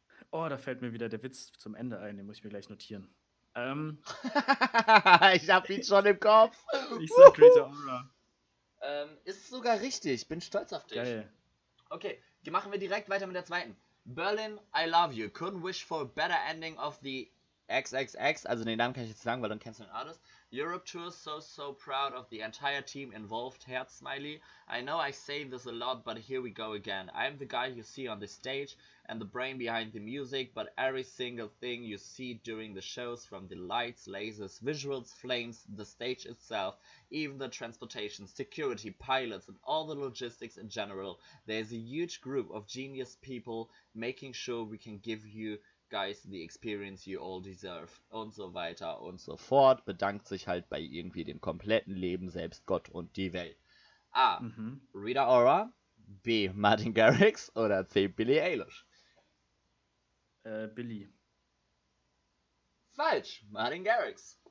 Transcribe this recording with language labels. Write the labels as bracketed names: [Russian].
[German] Oh, da fällt mir wieder der Witz zum Ende ein, den muss ich mir gleich notieren. Hab ihn schon im Kopf. Ich sag Rita Ora. Ist sogar richtig. Bin stolz auf dich. Geil. Okay, die machen wir direkt weiter mit der zweiten. [English] Berlin, I love you. Couldn't wish for a better ending of the XXX. [German] Also den Namen kann ich jetzt sagen, weil dann kennst du den Artist. [English] Europe Tour, so, so proud of the entire team involved. [German] Herz, Smiley. [English] I know I say this a lot, but here we go again. I'm the guy you see on the stage and the brain behind the music, but every single thing you see during the shows, from the lights, lasers, visuals, flames, the stage itself, even the transportation, security, pilots, and all the logistics in general, there's a huge group of genius people making sure we can give you guys the experience you all deserve. [German] Und so weiter und so fort. Bedankt sich halt bei irgendwie dem kompletten Leben selbst, Gott und die Welt. A. Rita Ora, B. Martin Garrix oder C. Billie Eilish? Billy. Falsch, Martin Garrix.